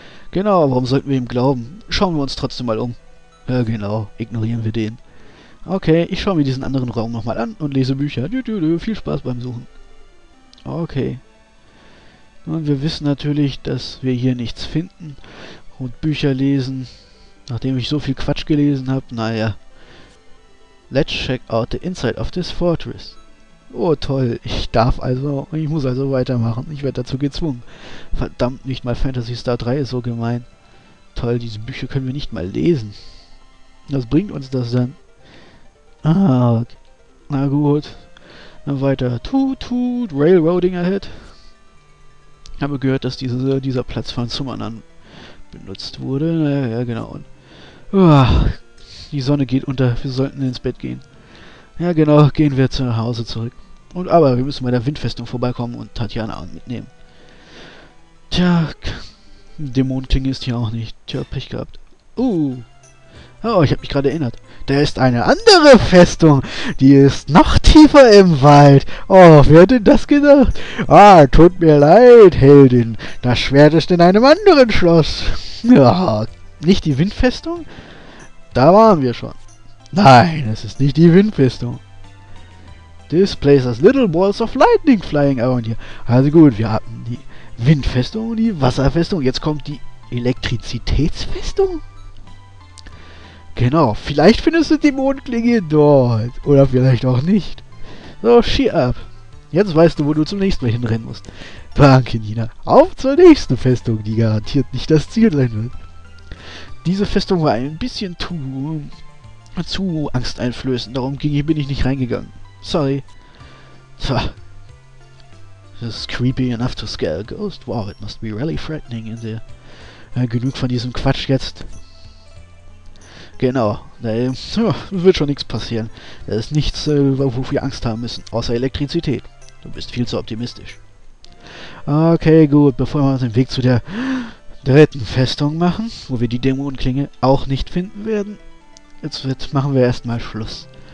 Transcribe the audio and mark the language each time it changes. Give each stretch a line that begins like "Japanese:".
German: Genau, warum sollten wir ihm glauben? Schauen wir uns trotzdem mal um. Ja, genau, ignorieren wir den. Okay, ich schaue mir diesen anderen Raum nochmal an und lese Bücher. Viel Spaß beim Suchen. Okay. Nun, wir wissen natürlich, dass wir hier nichts finden und Bücher lesen, nachdem ich so viel Quatsch gelesen habe. Naja.
English: Let's check out the inside of this fortress.
German: Oh toll, ich muss also weitermachen. Ich werde dazu gezwungen. Verdammt, nicht mal Phantasy Star 3 ist so gemein. Toll, diese Bücher können wir nicht mal lesen. Was bringt uns das dann? Ah, okay. Na gut. Dann weiter.
English: Toot, Railroading ahead.
German: Ich habe gehört, dass dieser Platz von Summanern benutzt wurde. Ja, genau. Die Sonne geht unter. Wir sollten ins Bett gehen. Ja, genau. Gehen wir zu Hause zurück. Aber wir müssen bei der Windfestung vorbeikommen und Tatjana mitnehmen. Tja, Dämonenklinge ist hier auch nicht. Tja, Pech gehabt. Oh, ich habe mich gerade erinnert. Da ist eine andere Festung. Die ist noch tiefer im Wald. Oh, wer hat denn das gedacht? Ah, tut mir leid, Heldin. Das Schwert ist in einem anderen Schloss. Ja, nicht die Windfestung? Da waren wir schon. Nein, es ist nicht die Windfestung.
English: This place has little balls of lightning flying around here.
German: Also gut, wir hatten die Windfestung und die Wasserfestung. Jetzt kommt die Elektrizitätsfestung. Genau, vielleicht findest du die Mondklinge dort. Oder vielleicht auch nicht. So,
English: cheer up.
German: Jetzt weißt du, wo du zum nächsten Mal hinrennen musst. Danke, Nina. Auf zur nächsten Festung, die garantiert nicht das Ziel sein wird. Diese Festung war ein bisschen zu angsteinflößend. Darum bin ich nicht reingegangen. Sorry. Tja.
English: This is creepy enough to scare a ghost. Wow, it must be really frightening in there.
German: Ja, genug von diesem Quatsch jetzt. Genau, wird schon nichts passieren. Da ist nichts, wofür wir Angst haben müssen, außer Elektrizität. Du bist viel zu optimistisch. Okay, gut, bevor wir uns den Weg zu der dritten Festung machen, wo wir die Dämonenklinge auch nicht finden werden, jetzt machen wir erstmal Schluss.